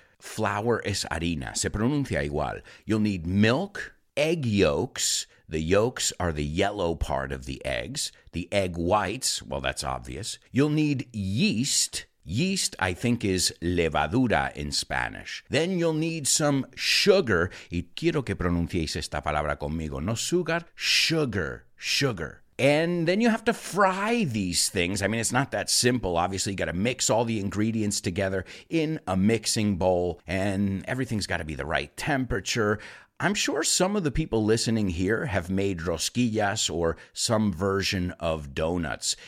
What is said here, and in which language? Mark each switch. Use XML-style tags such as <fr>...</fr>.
<es>Flour es harina. Se pronuncia igual.</es> <en>You'll need milk, egg yolks. The yolks are the yellow part of the eggs. The egg whites. Well, that's obvious. You'll need yeast. Yeast, I think, is levadura in Spanish. Then you'll need some sugar.</en> <es>Y quiero que pronunciéis esta palabra conmigo.</es> <en>No sugar, sugar, sugar. And then you have to fry these things. I mean, it's not that simple. Obviously, you got to mix all the ingredients together in a mixing bowl. And everything's got to be the right temperature. I'm sure some of the people listening here have made rosquillas or some version of donuts.</en>